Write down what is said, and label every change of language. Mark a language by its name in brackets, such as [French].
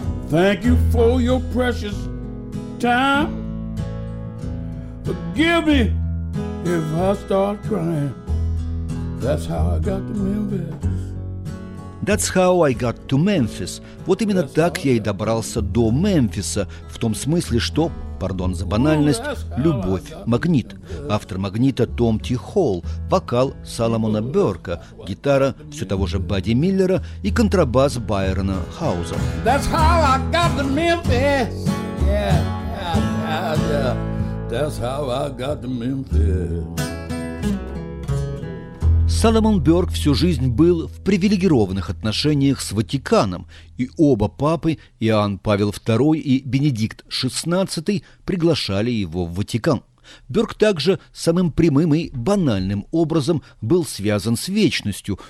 [English] Thank you for your precious time. Forgive me if I start crying. That's how I got to Memphis. That's how I got to Memphis. [Russian] Вот именно так я и добрался до Мемфиса, в том смысле, что, пардон за банальность, любовь – магнит. Автор магнита – Том Ти Холл, вокал – Соломона Бёрка, гитара – все того же Бадди Миллера и контрабас – Байрона Хауза. [English] That's how I got to Memphis. Yeah, yeah, yeah. That's how I got to Memphis. [Russian] Соломон Бёрг всю жизнь был в привилегированных отношениях с Ватиканом, и оба папы, Иоанн Павел II и Бенедикт XVI, приглашали его в Ватикан. Бёрг также самым прямым и банальным образом был связан с вечностью.